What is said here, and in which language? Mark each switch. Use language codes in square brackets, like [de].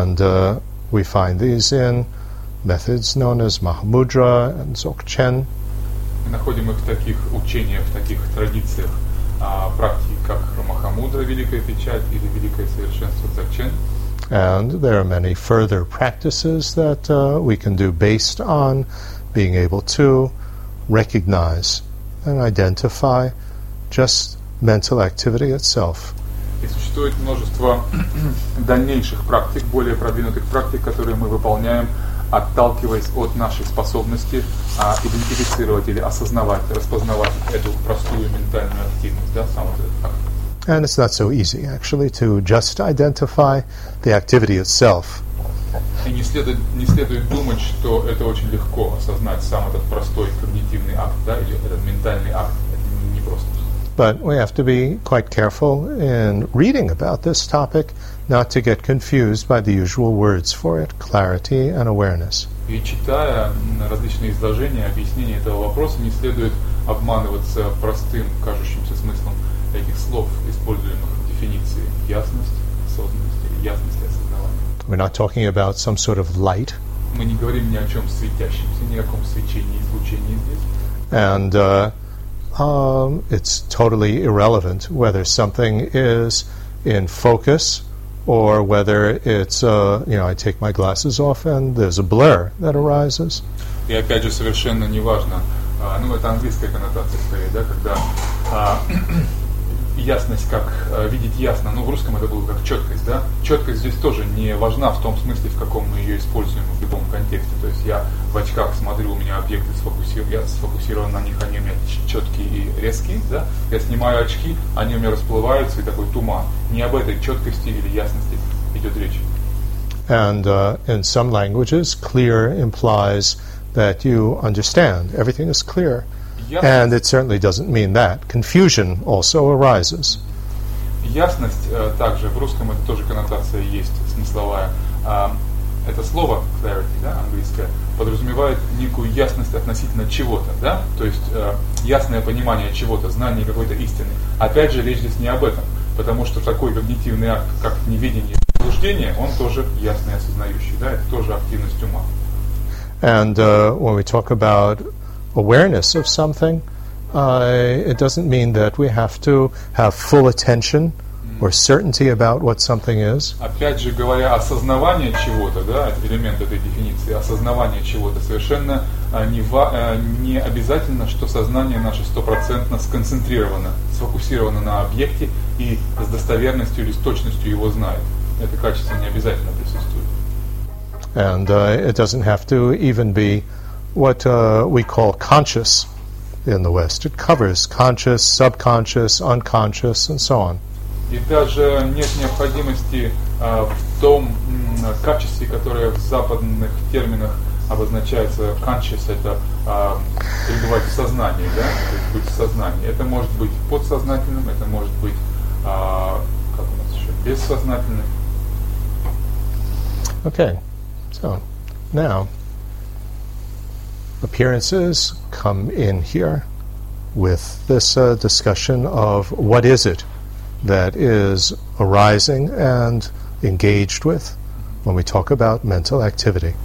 [en] And we find these in methods known as Mahamudra and Dzogchen. [ru] Мы находим их в таких учениях, в таких традициях практики, как Махамудра, Великая Печать, или Великое Совершенство Дзогчен. [en] And there are many further practices that we can do based on being able to recognize and identify just mental activity itself. [ru] И существует множество дальнейших практик, более продвинутых практик, которые мы выполняем, отталкиваясь от нашей способности идентифицировать или осознавать, распознавать эту простую ментальную активность, да, сам этот акт. [en] And it's not so easy, actually, to just identify the activity itself. [ru] И не следует думать, что это очень легко осознать сам этот простой когнитивный акт, да, или этот ментальный акт. Это не просто. [en] But we have to be quite careful in reading about this topic, not to get confused by the usual words for it, clarity and awareness. [ru] И читая различные изложения, объяснения этого вопроса, не следует обманываться простым, кажущимся смыслом этих слов, используемых в дефиниции ясность, осознанность или ясность и осознавание. [en] We're not talking about some sort of light. [ru] Мы не говорим ни о чем светящемся, ни о каком свечении, излучении здесь. [en] And it's totally irrelevant whether something is in focus or whether it's, I take my glasses off and there's a blur that arises. [ru] И опять же совершенно неважно, это английская коннотация скорее, да, когда ясность, как видеть ясно, в русском это было как четкость, да. Четкость здесь тоже не важна в том смысле, в каком мы ее используем в любом контексте. То есть я в очках смотрю, у меня объекты сфокусирован на них, они у меня четкие и резкие, да. Я снимаю очки, они у меня расплываются, и такой туман. Не об этой четкости или ясности идет речь. [en] And in some languages, clear implies that you understand. Everything is clear. And it certainly doesn't mean that. Confusion also arises. [ru] Ясность также, в русском это тоже коннотация есть, смысловая. Это слово clarity, да, английское, подразумевает некую ясность относительно чего-то, да? То есть ясное понимание чего-то, знание какой-то истины. Опять же, речь здесь не об этом, потому что такой когнитивный акт, как неведение и заблуждение, он тоже ясный осознающий, да, это тоже активность ума. [en] And when we talk about awareness of something, it doesn't mean that we have to have full attention or certainty about what something is. [ru] Опять же говоря, осознавание чего-то, да, элемент этой дефиниции, осознавание чего-то совершенно не обязательно, что сознание наше стопроцентно сконцентрировано, сфокусировано на объекте и с достоверностью или с точностью его знает. Это качество не обязательно присутствует. [en] And it doesn't have to even be what we call conscious in the West. It covers conscious, subconscious, unconscious, and so on. [ru] И даже нет необходимости в том качестве, которое в западных терминах обозначается conscious, это пребывать в сознании, да? То есть быть в сознании. Это может быть подсознательным, это может быть как у нас еще, бессознательным. [en] Okay. So, now, appearances come in here with this discussion of what is it that is arising and engaged with when we talk about mental activity.